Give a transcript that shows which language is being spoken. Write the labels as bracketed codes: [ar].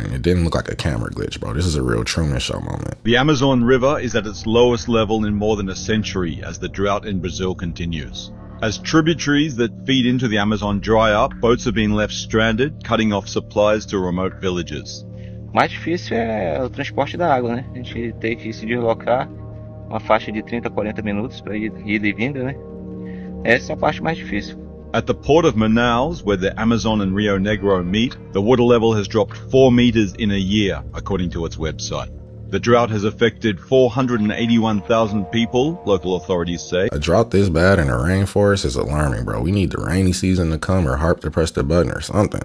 [en] And it didn't look like a camera glitch, bro. This is a real Truman Show moment. The Amazon River is at its lowest level in more than a century as the drought in Brazil continues. As tributaries that feed into the Amazon dry up, boats are being left stranded, cutting off supplies to remote villages. [pt] Mais difícil é o transporte da água, né? A gente tem que se deslocar uma faixa de 30 a 40 minutos para ir e vindo, né? Essa é a parte mais difícil. [en] At the port of Manaus, where the Amazon and Rio Negro meet, the water level has dropped 4 meters in a year, according to its website. The drought has affected 481,000 people, local authorities say. A drought this bad in a rainforest is alarming, bro. We need the rainy season to come or harp to press the button or something.